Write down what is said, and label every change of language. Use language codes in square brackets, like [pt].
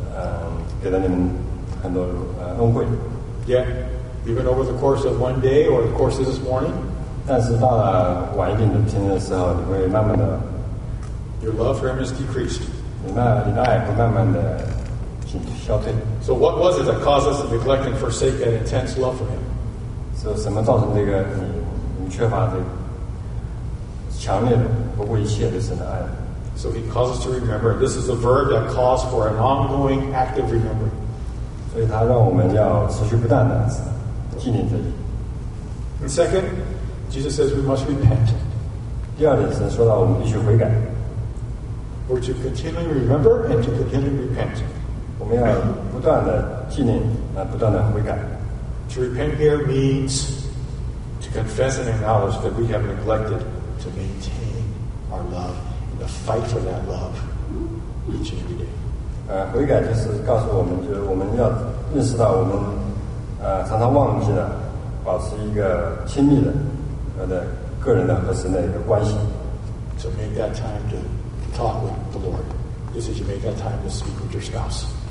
[zh] 神已经给了你们很多恩惠。 [en] Yet, even over the course of one day or the course of this morning, [zh] 但是到了晚一点的天的时候，你会慢慢的 [en] your love for Him has decreased. [zh] 你的爱会慢慢的消退。 [en] So what was it that caused us to neglect and forsake that intense love for Him? [zh] 是什么造成这个你缺乏这强烈的不顾一切的神的爱？ [en] So He calls us to remember. This is a verb that calls for an ongoing, active remembering. [zh] 所以他让我们要持续不断的纪念这里。 [en] And second, Jesus says we must repent. [zh] 第二点是说到我们必须悔改。 [en] We're to continually remember and to continually repent. [zh] 我们要不断的纪念，不断的悔改。 [en] To repent here means to confess and acknowledge that we have neglected to maintain our love. The fight for that love each and every day. [zh] 悔改就是告诉我们，就是我们要认识到我们常常忘记的保持一个亲密的个人的和神的一个关系。 [en] So make that time to talk with the Lord, just as you make that time to speak with your spouse.